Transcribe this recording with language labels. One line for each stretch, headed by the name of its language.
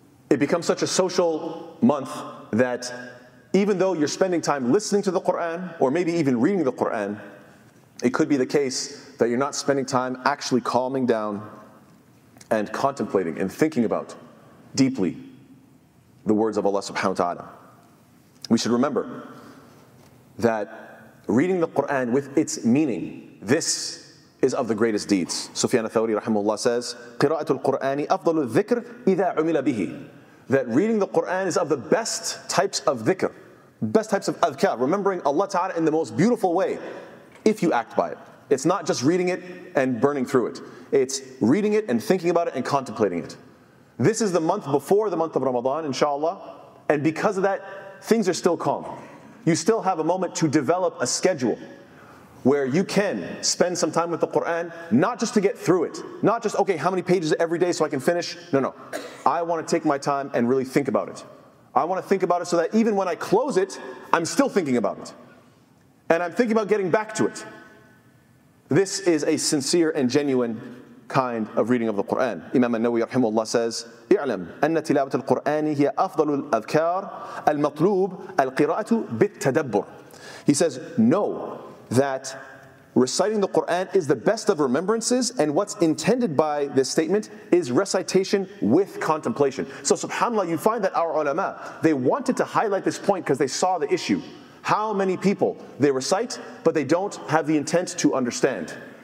English: It becomes such a social month that even though you're spending time listening to the Qur'an, or maybe even reading the Qur'an, it could be the case that you're not spending time actually calming down and contemplating and thinking about deeply the words of Allah
Arabic: subhanahu wa ta'ala.
English: We should remember that reading the Qur'an with its meaning, this is of the greatest deeds.
Arabic: Sufyan al-Thawri rahimahullah
English: says,
Arabic: قِرَاءَةُ الْقُرْآنِ أَفْضَلُ الذِّكْرِ إِذَا عُمِلَ بِهِ.
English: That reading the Qur'an is of the best types of dhikr, best types of adhkar, remembering Allah ta'ala in the most beautiful way, if you act by it. It's not just reading it and burning through it. It's reading it and thinking about it and contemplating it. This is the month before the month of Ramadan, inshallah. And because of that, things are still calm. You still have a moment to develop a schedule where you can spend some time with the Qur'an, not just to get through it, not just, okay, how many pages every day so I can finish? No, no. I want to take my time and really think about it. I want to think about it so that even when I close it, I'm still thinking about it. And I'm thinking about getting back to it. This is a sincere and genuine kind of reading of the Qur'an.
Arabic: Imam al-Nawawi rahimahullah
English: says,
Arabic: اعلم أن تلاوة القرآن هي أفضل الأذكار المطلوب القراءة بالتدبر.
English: He says, know that reciting the Qur'an is the best of remembrances, and what's intended by this statement is recitation with contemplation. So subhanAllah, you find that our ulama, they wanted to highlight this point because they saw the issue. How many people, they recite, but they don't have the intent to understand.